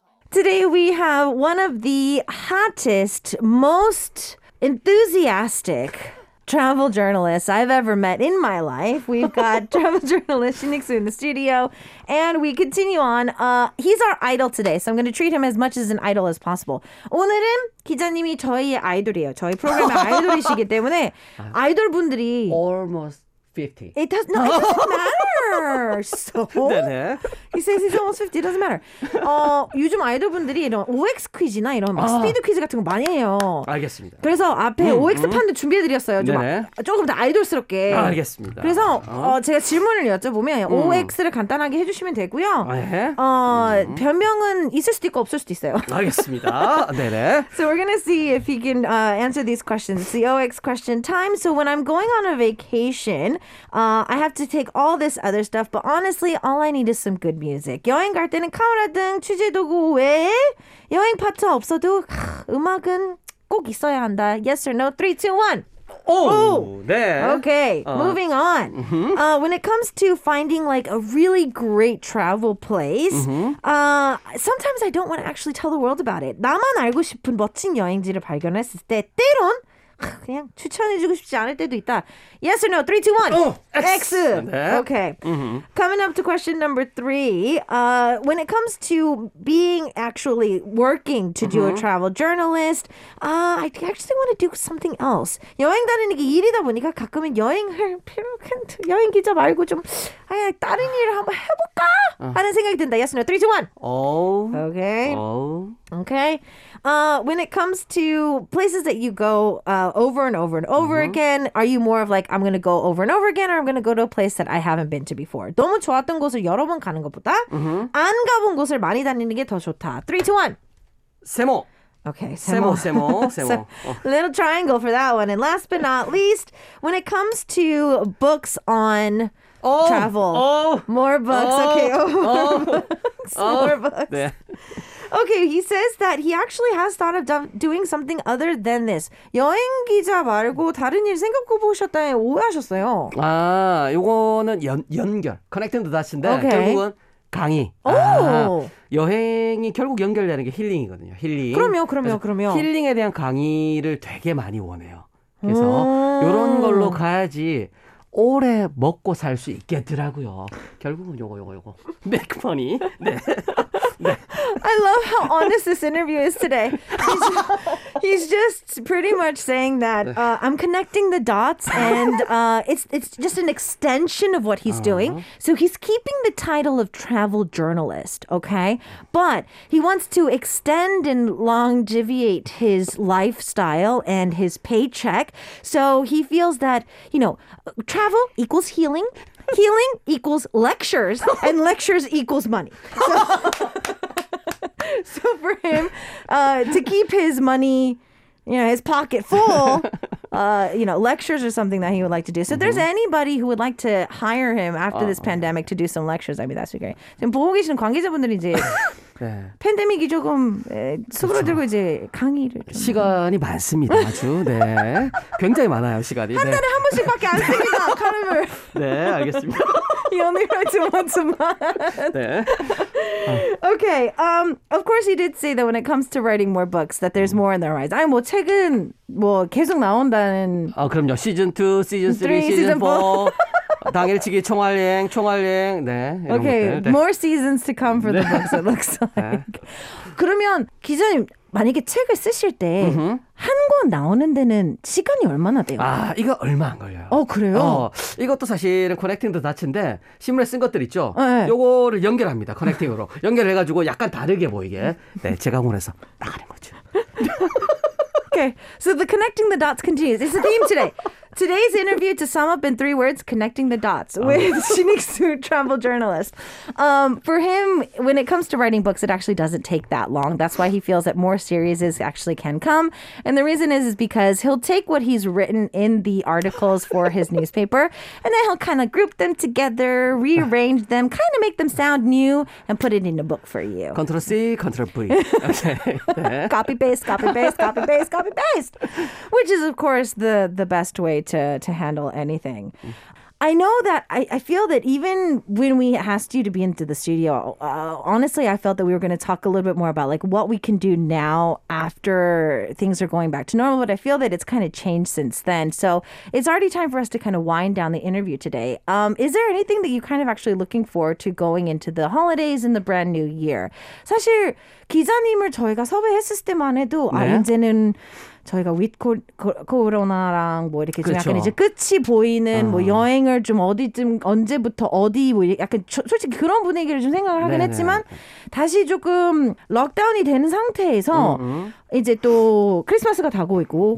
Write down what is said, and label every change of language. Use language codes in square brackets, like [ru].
[en] Today we have one of the hottest, most enthusiastic travel journalists I've ever met in my life. We've got travel journalist Shin Hik-soo in the studio, and we continue on. He's our idol today, so I'm going to treat him as much as an idol as possible. [ko] 오늘은 기자님이 저희의 아이돌이에요. 저희 프로그램의 아이돌이시기 때문에 아이돌 분들이 [en] almost 50. It doesn't matter. So, [ko] 네네. [en] He says he's almost 50. It doesn't matter. [ko] 요즘 아이돌분들이 이런 OX 퀴즈나 이런 스피드 퀴즈 같은 거 많이 해요. 알겠습니다. 그래서 앞에 OX 판도 준비해드렸어요. 좀 조금 더 아이돌스럽게. 알겠습니다. 그래서 제가 질문을 여쭤보면 OX를 간단하게 해주시면 되고요. 변명은 있을 수도 있고 없을 수도 있어요. 알겠습니다. 네네. [en] So we're gonna see if he can answer these questions. It's the OX question time. So when I'm going on a vacation, I have to take all this other other stuff, but honestly, all I need is some good music. [ko] 여행 갈 때는 카메라 등 취재 도구 외에 여행 파트 없어도 음악은 꼭 있어야 한다. [en] Yes or no? 3, 2, 1. Oh, there. Okay, moving on. Mm-hmm. When it comes to finding like a really great travel place, mm-hmm. Sometimes I don't want to actually tell the world about it. [ko] 나만 알고 싶은 멋진 여행지를 발견했을 때 때론 그냥 추천해주고 싶지 않을 때도 있다. [en] Yes or no? 3, 2, 1. Oh, X. X. Okay. Mm-hmm. Coming up to question number 3. When it comes to being actually working to mm-hmm. do a travel journalist, I actually want to do something else. [ko] 여행 다니는 게 일이다 보니까 가끔은 여행 기자 말고 좀 다른 일을 한번 해볼까? 하는 생각이 든다. [en] Yes or no? 3, 2, 1. Oh. Okay. Oh. Okay. When it comes to places that you go over and over and over mm-hmm. again, are you more of like, I'm going to go over and over again, or I'm going to go to a place that I haven't been to before? [ko] 너무 좋았던 곳을 여러 번 가는 것보다 mm-hmm. 안 가본 곳을 많이 다니는 게 더 좋다. [en] 3, 2, 1. [ko] 세모. [en] Okay, [ko] Semo. [en] Little triangle for that one. And last but not least, when it comes to books on travel. Oh, more books. Oh, okay, books. Yeah. Okay, he says that he actually has thought of doing something other than this. [ko] 여행 기자 말고 다른 일 생각해보셨다니 오해하셨어요. 아, 요거는 연결. [en] Connecting the dots [ko] 인데 [en] okay. [ko] 결국은 강의. 오. 아, 여행이 결국 연결되는 게 힐링이거든요. 힐링. 그럼요. 힐링에 대한 강의를 되게 많이 원해요. 그래서 이런 걸로 가야지 오래 먹고 살 수 있겠더라고요. 결국은 요거. [en] Make money. [ko] 네. [en] I love how honest this interview is today. He's just pretty much saying that I'm connecting the dots, and it's just an extension of what he's uh-huh. doing. So he's keeping the title of travel journalist, okay? But he wants to extend and longeviate his lifestyle and his paycheck. So he feels that, you know, travel equals healing. Healing equals lectures, and lectures equals money. So, so for him, to keep his money, you know, his pocket full, you know, lectures are something that he would like to do. So mm-hmm. if there's anybody who would like to hire him after this pandemic to do some lectures, I mean, that's okay. [ko] 지금 보고 계시는 관계자분들이 이제 팬데믹이 조금 수그러들고 이제 강의를 좀. 시간이 많습니다. 아주 네 굉장히 많아요 시간이 한 달에 네. 한 번씩밖에 안 씁니다 카르멜 네 알겠습니다 [en] He only writes once a month. [ko] 네. [en] Okay. Of course, he did say that when it comes to writing more books, that there's more in the horizon. [ko] 아니, 뭐 책은 뭐 계속 나온다는. 아 그럼요. 시즌 2, 시즌 3, 시즌 4. 당일치기 총알행, 총알행. 네. 이런 [en] okay. [ko] 것들. 네. [en] More seasons to come for 네. the books, it looks like. [ko] 그러면 기자님, 만약에 책을 쓰실 때 한 권 나오는 데는 시간이 얼마나 돼요? 아, 이거 얼마 안 걸려요. 어, 그래요? 어, 이것도 사실은 커넥팅 더 닷인데 신문에 쓴 것들 있죠? 네. 요거를 연결합니다. 커넥팅으로. 연결해가지고 약간 다르게 보이게. 네, 제가 원해서 나가는 거죠. [en] Okay, so the connecting the dots continues. It's a theme today. Today's interview, to sum up in three words, connecting the dots with Shinik-su, travel journalist. For him, when it comes to writing books, it actually doesn't take that long. That's why he feels that more series actually can come. And the reason is because he'll take what he's written in the articles for his newspaper, and then he'll kind of group them together, rearrange them, kind of make them sound new, and put it in a book for you. Ctrl-C, Ctrl-V. Okay. copy-paste, which is, of course, the best way to handle anything. I know that I feel that even when we asked you to be into the studio, honestly, I felt that we were going to talk a little bit more about like what we can do now after things are going back to normal. But I feel that it's kind of changed since then. So it's already time for us to kind of wind down the interview today. Is there anything that you're kind of actually looking forward to going into the holidays and the brand new year? [ko] 사실 기자님을 저희가 섭외했을 때만 해도 아 이제는 저희가 위드 코로나랑 뭐 이렇게 좀 약간 이제 끝이 보이는 뭐 여행을 좀 어디쯤 언제부터 어디 뭐 약간 솔직히 그런 분위기를 좀 생각을 하긴 네네. 했지만 다시 조금 럭다운이 되는 상태에서 이제 또 크리스마스가 다가오고 있고